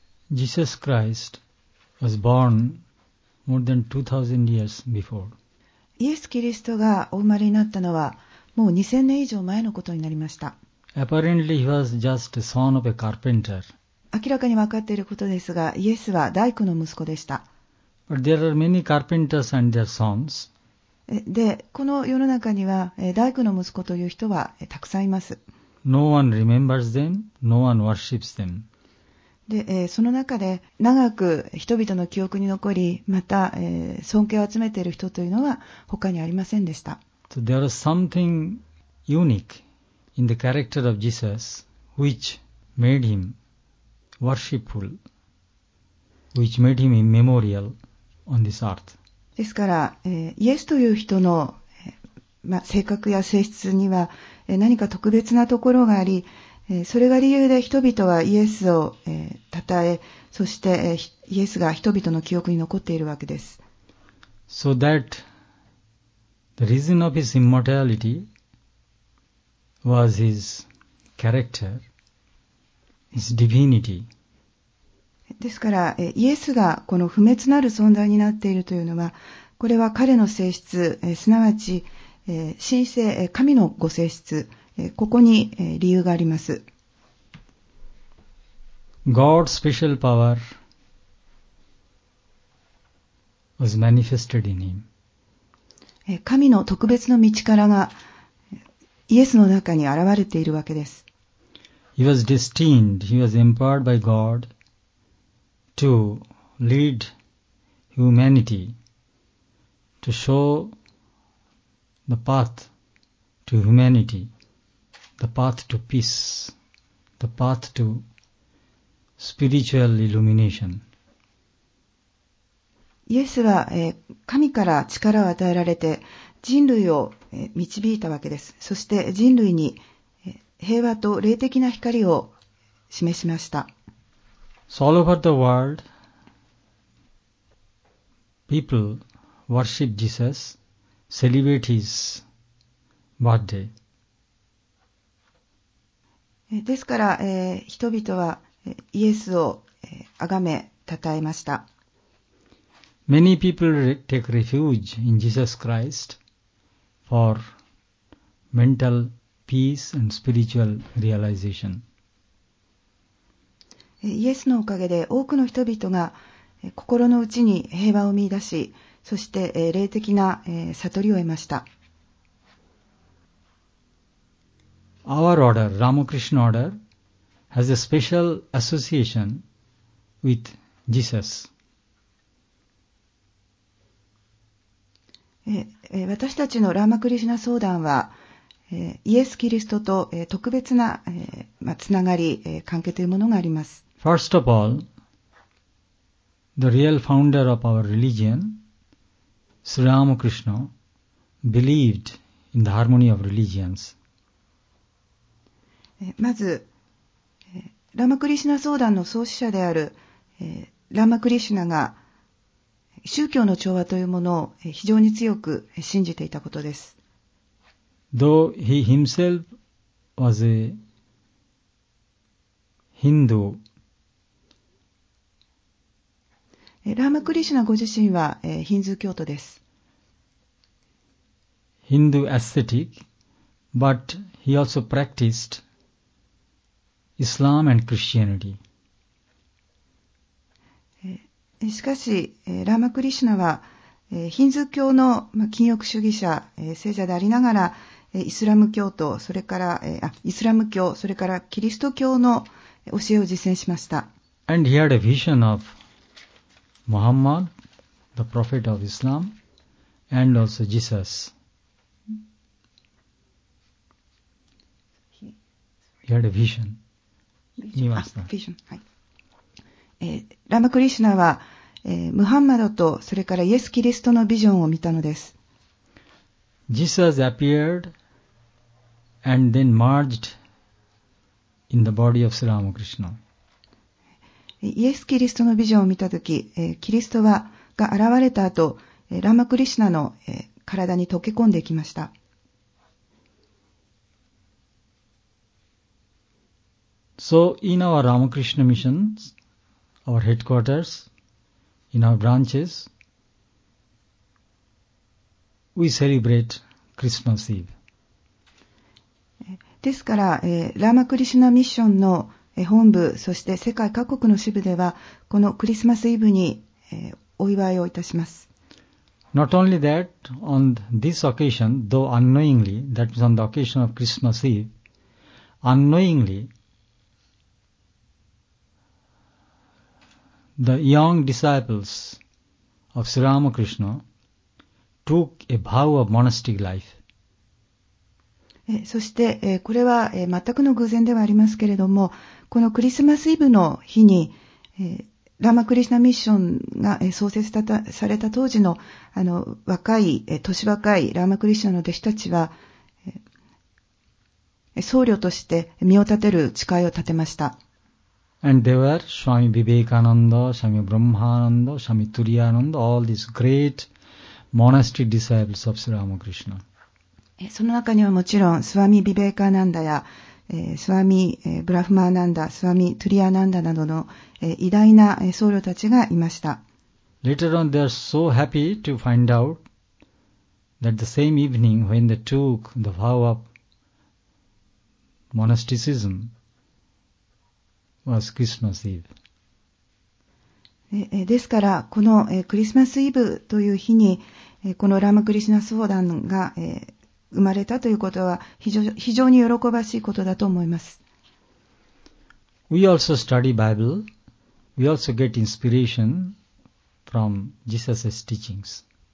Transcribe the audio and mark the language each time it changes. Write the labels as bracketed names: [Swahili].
[English] Jesus Christ was born more than 2000 years before. [Japanese] イエス・キリストがお生まれになったのはもう2000年以上前のことになりました。 [English] Apparently he was just a son of a carpenter. [Japanese] 明らかに分かっていることですが、イエスは大工の息子でした。 [English] But there are many carpenters and their sons. [Japanese] で、この世の中には大工の息子という人はたくさんいます。 [English] No one remembers them, no one worships them. [Japanese] で、その中で長く人々の記憶に残り、また尊敬を集めている人というのは他にありませんでした。 [English] So there is something unique in the character of Jesus which made him worshipful, which made him a memorial on this earth. [Japanese] ですから、イエスという人の、性格や性質には、何か特別なところがあり、それが理由で人々はイエスを、讃え、そして、イエスが人々の記憶に残っているわけです。 [English] So that the reason of his immortality was his character, his divinity. [Japanese] ですから、イエスがこの不滅なる存在になっているというのは、これは彼の性質、すなわち、神聖、神のご性質、ここに、理由があります。 [English] God's special power was manifested in him. [Japanese] 神の特別の道からが、イエスの中に現れているわけです。 [English] He was destined, he was empowered by God. To lead humanity to show the path to humanity, the path to peace, the path to spiritual illumination. [Japanese] イエスは、神から力を与えられて人類を、導いたわけです。そして人類に、平和と霊的な光を示しました。 [English] So all over the world, people worship Jesus, celebrate his birthday. [Japanese] ですから、人々はイエスを崇め、称えました。 [English] Many people take refuge in Jesus Christ for mental peace and spiritual realization. [Japanese] イエスのおかげで多くの人々が心の内に平和を見出し、そして霊的な悟りを得ました。 [English] Our order, Ramakrishna order, has a special association with Jesus. [Japanese] 私たちのラマクリシュナ相談は、イエス・キリストと特別なつながり、関係というものがあります。 [English] First of all, the real founder of our religion, Sri Ramakrishna, believed in the harmony of religions. [Japanese] まず、ラマクリシナ相談の創始者である、ラマクリシナが宗教の調和というものを非常に強く信じていたことです。 [English] Though he himself was a Hindu, [Japanese] ラーマクリシュナご自身は、ヒンズー教徒です。 [English] ヒンドゥーアスセティック、but he also practiced Islam and Christianity. [Japanese] しかし、ラーマクリシュナは、ヒンズー教の、禁欲主義者、聖者でありながら、イスラム教徒、それから、イスラム教、それからキリスト教の教えを実践しました。 [English] And he had a vision of Muhammad, the prophet of Islam, and also Jesus. He had a vision. Vision. [Japanese] ラマクリシュナは、ムハンマドとそれからイエス・キリストのビジョンを見たのです。 [English] Jesus appeared and then merged in the body of Sri Ramakrishna. [Japanese] イエス・キリストのビジョンを見たとき、キリストはが現れた後、ラマクリシナの体に溶け込んできました。 [English] So, in our Ramakrishna missions, our headquarters, in our branches, we celebrate Christmas Eve. [Japanese] ですから、ラーマクリシュナミッションの本部、そして世界各国の支部では、このクリスマスイブに、お祝いをいたします。 [English] Not only that, on this occasion, though unknowingly, that is on the occasion of Christmas Eve, unknowingly, the young disciples of Sri Ramakrishna took a vow of monastic life. [Japanese] そしてこれは全くの偶然ではありますけれども、このクリスマスイブの日にラマクリシナミッションが創設された当時 の、 あの若い年若いラマクリシナの弟子たちは僧侶として身を立てる誓いを立てました。 [English] And they were Swami Vivekananda, Swami Brahmananda, Swami Turiyananda, all these great monastic disciples of Sri Ramakrishna [Japanese] その中にはもちろん、スワミ・ビベーカーナンダや、スワミ・ブラフマーナンダ、スワミ・トゥリアナンダなどの、偉大な、僧侶たちがいました。 [English] Later on, they are so happy to find out that the same evening when they took the vow of monasticism was Christmas Eve. [Japanese] ですから、この、クリスマスイブという日に、このラマクリシナ僧団が、生まれたということは非常に喜ばしいことだと思います。 [English] We also study Bible. We also get inspiration from Jesus' teachings.